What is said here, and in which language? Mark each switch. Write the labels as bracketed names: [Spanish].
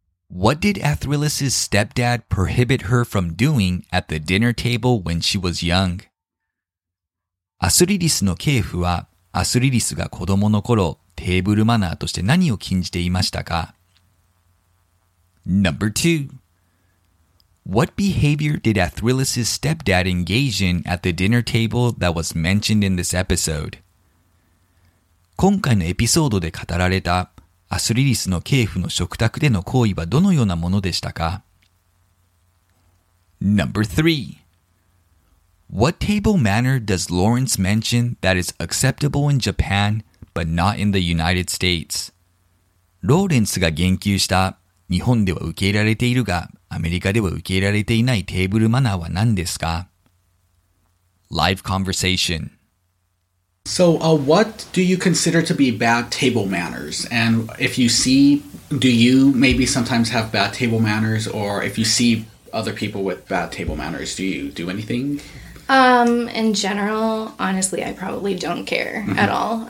[English] What did Athrillis's stepdad prohibit her from doing at the dinner table when she was young? [Japanese] アスリリスの系譜は、アスリリスが子供の頃、テーブルマナーとして何を禁じていましたか? [English] Number two. What behavior did Athrillis's stepdad engage in at the dinner table that was mentioned in this episode? [Japanese] 今回のエピソードで語られたアスリリスの系譜の食卓での行為はどのようなものでしたか? [English] Number three. What table manner does Lawrence mention that is acceptable in Japan? But not in the United States. [Japanese] ローレンスが言及した日本では受け入れられているがアメリカでは受け入れられていないテーブルマナーは何ですか? [English] Live conversation. So, what do you consider to be bad table manners? And if you see, do you maybe sometimes have bad table manners? Or if you see other people with bad table manners, do you do anything? In general, honestly, I probably don't care at all.